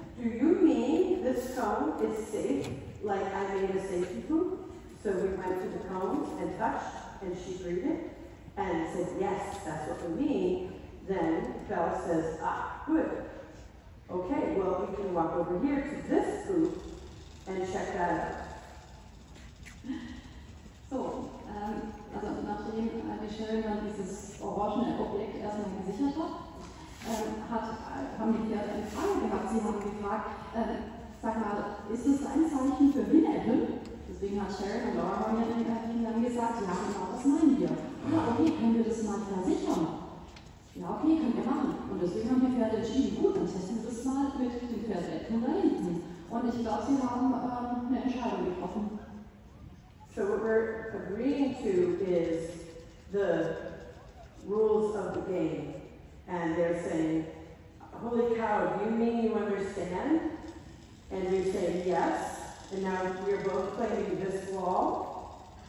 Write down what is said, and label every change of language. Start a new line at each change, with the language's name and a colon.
English: Do you mean this cone is safe? Like I made a safety poop? So we went to the cone and touched, and she breathed it, and said, yes, that's what we mean. Then Belle says, ah, good. Okay, well, we can walk over here to this poop and check that out.
German: So, also nachdem die Sharon dann dieses orangene Objekt erstmal gesichert hat, haben die Pferde eine Frage gehabt. Sie haben gefragt, sag mal, ist das ein Zeichen für Winnebel? Deswegen hat Sharon und Laura mir dann gesagt, ja, genau, das meinen wir. Ja, okay, können wir das mal versichern? Ja, okay, können wir machen. Und deswegen haben die Pferde entschieden, gut, dann testen wir das mal mit den Pferdeecken da hinten. Und ich glaube, sie haben eine Entscheidung getroffen.
English: So what we're agreeing to is the rules of the game. And they're saying, holy cow, do you mean you understand? And we say yes. And now we're both playing this wall.